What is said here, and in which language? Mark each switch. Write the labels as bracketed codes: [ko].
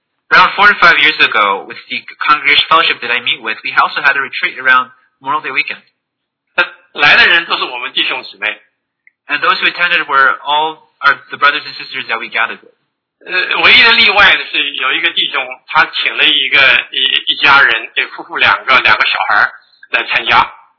[en] Around 4 to 5 years ago, with the congregation fellowship that I meet with, we also had a retreat around Memorial Day weekend. [zh] 来的人都是我们弟兄姊妹。 [en] And those who attended were all the brothers and sisters that we gathered with. [zh] 唯一的例外的是有一个弟兄，他请了一家人，夫妇两个小孩来参加。